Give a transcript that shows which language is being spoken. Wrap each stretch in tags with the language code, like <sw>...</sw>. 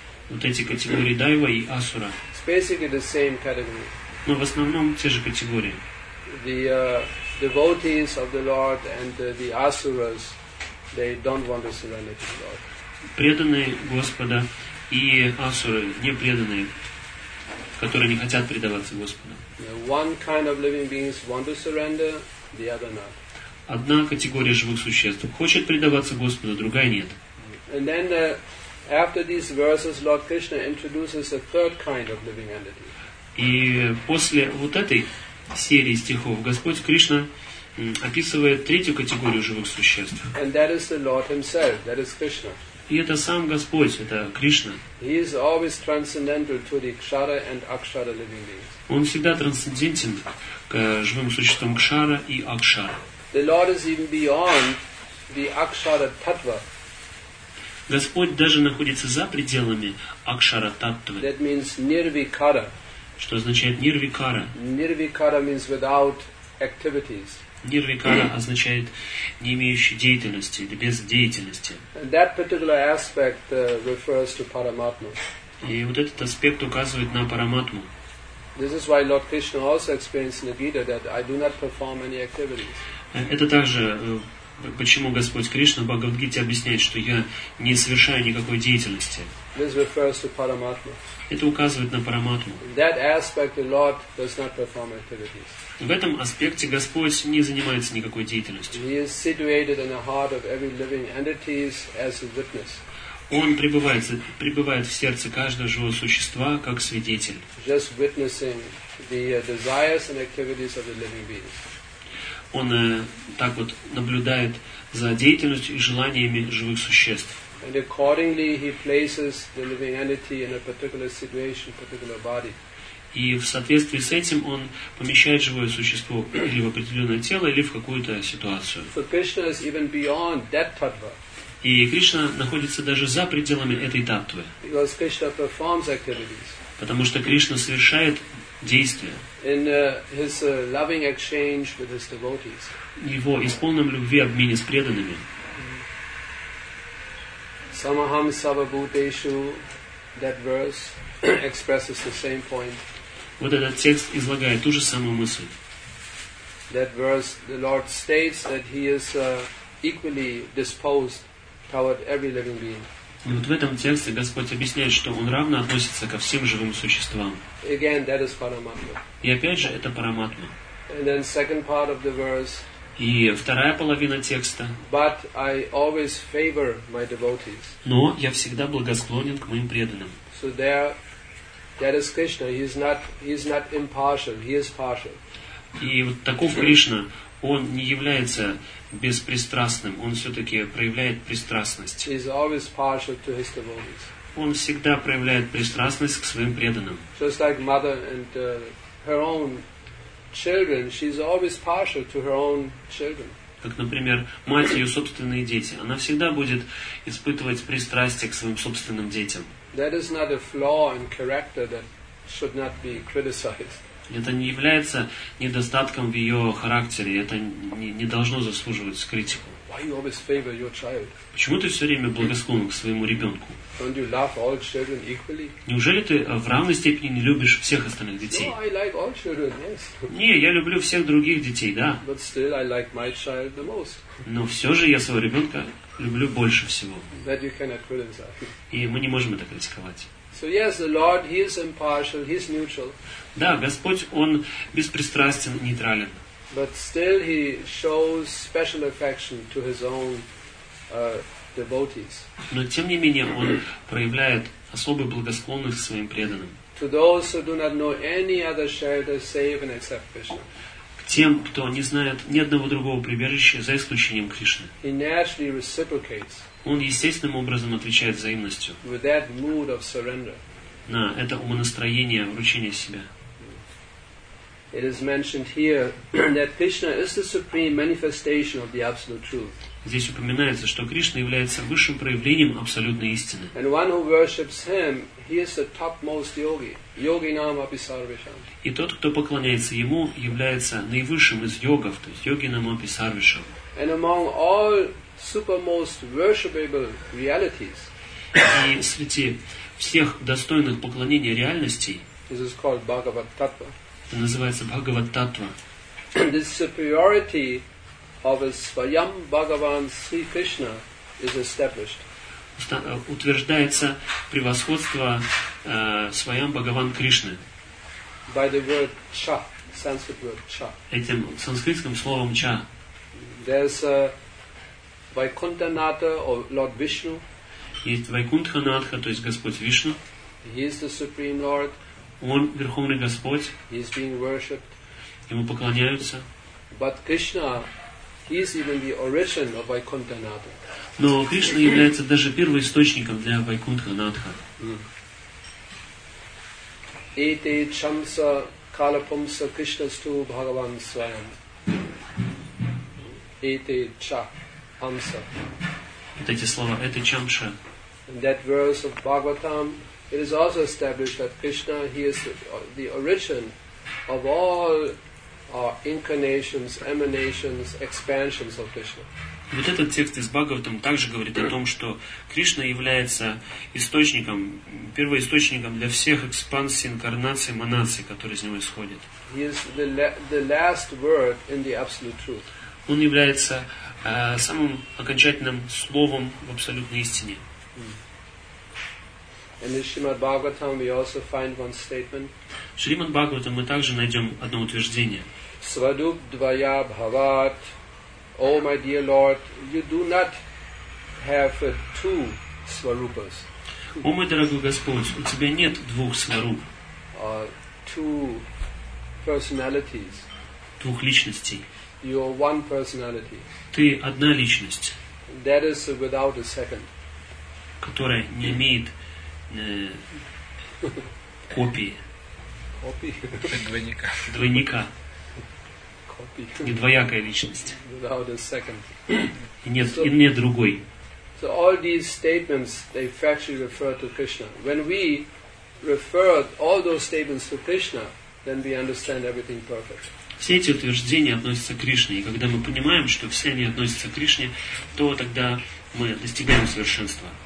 <ru>Вот эти категории дайва и асура.</ru> <en>It's basically the same category.</en> <ru>Но в основном те же категории.</ru> <en>The devotees of the Lord and the asuras, they don't want to surrender to the Lord.</en> <ru>Преданные Господа и асуры, непреданные, которые не хотят предаваться Господу.</ru> <en>One kind of living beings want to surrender, the other not.</en> <ru>Одна категория живых существ хочет предаваться Господу, другая нет.</ru> <en>And then after these verses, Lord Krishna introduces a third kind of living entity.</en> <ru>И после вот этой серии стихов Господь Кришна описывает третью категорию живых существ.</ru> <en>And that is the Lord himself, that is Krishna.</en> <ru>И это сам Господь, это Кришна.</ru> <en>He is always transcendental to the kshara and akshara living beings.</en> <ru>Он всегда трансцендентен к живым существам кшара и акшара.</ru> <en>The Lord is even beyond the akshara tattva.</en> <ru>Господь даже находится за пределами акшара таттвы.</ru> <en>That means nirvikara.</en> <ru>Что означает нирвикара?</ru> <en>Nirvikara means without activities.</en> <ru>Нирвикара означает не имеющий деятельности или без деятельности.</ru> <en>And that particular aspect refers to Paramatma.</en> <ru>И вот этот аспект указывает на Параматму.</ru> <en>This is why Lord Krishna also explains in the Gita that I do not perform any activities.</en> <ru>Это также почему Господь Кришна в Бхагавад-гите объясняет, что я не совершаю никакой деятельности.</ru> <en>This refers to Paramatma.</en> <ru>Это указывает на Параматму.</ru> <en>That aspect, the Lord does not perform activities.</en> <ru>В этом аспекте Господь не занимается никакой деятельностью. Он пребывает в сердце каждого живого существа как свидетель.</ru> <en>Just witnessing the desires and activities of the living beings.</en> <ru>Он так вот наблюдает за деятельностью и желаниями живых существ.</ru> <en>And accordingly he places the living entity in a particular situation, particular body.</en> <ru>И в соответствии с этим он помещает живое существо или в определенное тело, или в какую-то ситуацию.</ru> <en>So Krishna is even beyond that tattva.</en> <ru>И Кришна находится даже за пределами этой таттвы.</ru> <en>Because Krishna performs activities.</en> <ru>Потому что Кришна совершает действия.</ru> <en>In his loving exchange with his devotees.</en> <ru>Его исполненном любви обмене с преданными.</ru> <sa>Самахам Савабхутешу,</sa> <en>that verse expresses the same point.</en> <ru>Вот этот текст излагает ту же самую мысль.</ru> <en>That verse, the Lord states that he is equally disposed toward every living being.</en> <ru>И вот в этом тексте Господь объясняет, что Он равно относится ко всем живым существам.</ru> <en>Again, that is Paramatma.</en> <ru>И опять же, это Параматма.</ru> <en>And then second part of the verse.</en> <ru>И вторая половина текста.</ru> <en>But I always favor my devotees.</en> <ru>Но я всегда благосклонен к моим преданным.</ru> <en>So there, that is Krishna. He is not impartial. He is partial.</en> <ru>И вот таков Кришна. Он не является беспристрастным. Он все-таки проявляет пристрастность.</ru> <en>He is always partial to his devotees.</en> <ru>Он всегда проявляет пристрастность к своим преданным.</ru> <en>Just like mother and her own children, she's always partial to her own children.</en> <ru>Как, например, мать и ее собственные дети. Она всегда будет испытывать пристрастие к своим собственным детям.</ru> <en>That is not a flaw in character that should not be criticized.</en> <ru>Это не является недостатком в ее характере. Это не должно заслуживать критику.</ru> <en>Why you always favor your child?</en> <ru>Почему ты все время благосклонен к своему ребенку?</ru> <en>Don't you love all children equally?</en> <ru>Неужели ты в равной степени не любишь всех остальных детей?</ru> <en>No, I like all children, yes.</en> <ru>Не, я люблю всех других детей, да.</ru> <en>But still I like my child the most.</en> <ru>Но все же я своего ребенка люблю больше всего.</ru> <en>That you cannot criticize.</en> <ru>И мы не можем это критиковать.</ru> <en>So yes, the Lord, He is impartial, He is neutral.</en> <ru>Да, Господь, Он беспристрастен, нейтрален.</ru> <en>But still He shows special affection to His own devotees.</en> <ru>Но тем не менее Он проявляет особую благосклонность к своим преданным.</ru> <en>To those who do not know any other shelter save and except Krishna.</en> <ru>К тем, кто не знает ни одного другого прибежища за исключением Кришны.</ru> <en>He naturally reciprocates.</en> <ru>Он естественным образом отвечает взаимностью.</ru> <en>With that mood of surrender.</en> <ru>На это умонастроение вручения себя.</ru> <en>It is mentioned here that Krishna is the supreme manifestation of the absolute truth.</en> <ru>Здесь упоминается, что Кришна является высшим проявлением абсолютной истины.</ru> <en>And one who worships him, he is the topmost yogi.</en> <sa>Yogi nam api sarvesham.</sa> <ru>И тот, кто поклоняется ему, является наивысшим из йогов, то есть</ru> <sa>йоги нам api сарвешам.</sa> <en>And among all supermost worshipable realities.</en> <ru>И среди всех достойных поклонения реальностей.</ru> <en>This is called Bhagavat Tattva.</en> <ru>Это называется Бхагават Таттва.</ru> <en>The superiority of a Swayam Bhagavan Sri Krishna is established.</en> <ru>Утверждается превосходство Swayam Bhagavan Krishna.</ru> <en>By the word cha, Sanskrit word cha.</en> <ru>Этим санскритским словом cha.</ru> <en>There's a Vaikunthanatha or Lord Vishnu.</en> <ru>Есть Вайкунтханатха, то есть Господь Вишну.</ru> <en>He is the Supreme Lord.</en> <ru>Он Верховный Господь.</ru> <en>He is being worshipped.</en> <ru>Ему поклоняются.</ru> <en>But Krishna, He is even the origin of Vaikunthanatha.</en> <ru>Но Кришна является даже первоисточником для Вайкунтханатха.</ru> <sa>Ете чамса калапумса Кришнасту Бхагаван Свайам. Ете ча амса.</sa> <ru>Вот эти слова, это чамша.</ru> <en>In that verse of Bhagavatam, it is also established that Krishna, He is the origin of all our incarnations, emanations, expansions of Krishna.</en> <ru>Вот этот текст из Бхагаватам также говорит о том, что Кришна является источником, первоисточником для всех экспансий, инкарнаций, эманаций, которые из него исходят.</ru> <en>He is the last word in the absolute truth.</en> <ru>Он является самым окончательным словом в абсолютной истине.</ru> <en>And in Shrimad Bhagavatam we also find one statement.</en> <ru>В Шримад Бхагаватам мы также найдем одно утверждение.</ru> <sa>Свадуп двая бхават.</sa> <en>О, my dear Lord, you do not have two сварупас.</en> <ru>О, мой дорогой Господь, у тебя нет двух сваруп.</ru> <en>Two personalities.</en> <ru>Двух личностей.</ru> <en>You are one personality.</en> <ru>Ты одна личность.</ru> <en>That is without a second.</en> <ru>Которая не имеет копии. Копии? Двойника. Двойника. Копии. Недвоякая личность.</ru> <en>Without a second.</en> <ru>И нет другой.</ru> <en>So all these statements, they factually refer to Krishna. When we refer all those statements to Krishna, then we understand everything perfect.</en> <ru>Все эти утверждения относятся к Кришне. И когда мы понимаем, что все они относятся к Кришне, то тогда мы достигаем совершенства.</ru>